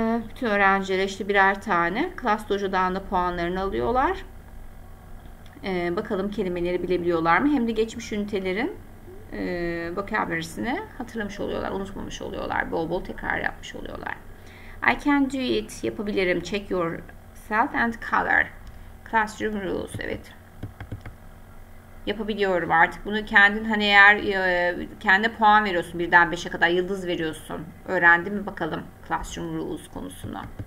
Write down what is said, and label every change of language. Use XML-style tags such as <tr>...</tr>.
<tr>Bütün öğrencilere işte birer tane. Klas hocadan da puanlarını alıyorlar. Bakalım kelimeleri bilebiliyorlar mı? Hem de geçmiş ünitelerin vokabülerini hatırlamış oluyorlar. Unutmamış oluyorlar. Bol bol tekrar yapmış oluyorlar.</tr> <en>I can do it.</en> <tr>Yapabilirim.</tr> <en>Check yourself and color. Classroom rules.</en> <tr>Evet. Yapabiliyorum artık. Bunu kendin hani eğer kendine puan veriyorsun. Birden beşe kadar yıldız veriyorsun. Öğrendin mi bakalım classroom rules konusunu.</tr>